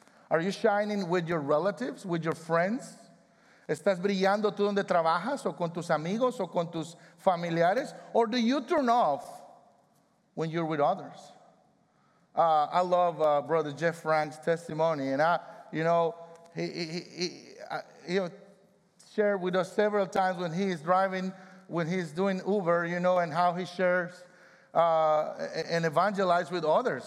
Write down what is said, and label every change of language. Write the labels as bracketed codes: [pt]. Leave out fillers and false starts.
[en] Are you shining with your relatives, with your friends? [es] ¿Estás brillando tú donde trabajas o con tus amigos o con tus familiares? [en] Or do you turn off when you're with others? I love Brother Jeff Frank's testimony, and he shared with us several times when he is driving, when he's doing Uber, you know, and how he shares and evangelizes with others.